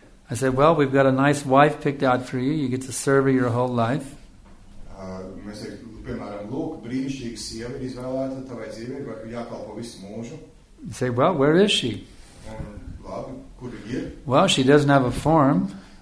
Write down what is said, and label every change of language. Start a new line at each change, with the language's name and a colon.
English: I said, well, we've got a nice wife picked out for you. You get to serve her your whole life.
Latvian: Mēs teiktu, piemēram, lūk, brīnišķīga sieva ir izvēlēta tavai dzīvei, vai jākalpo visu mūžu.
English: You say, well, where is she?
Latvian: Un, labi, kur viņa ir?
English: Well, she doesn't have a form.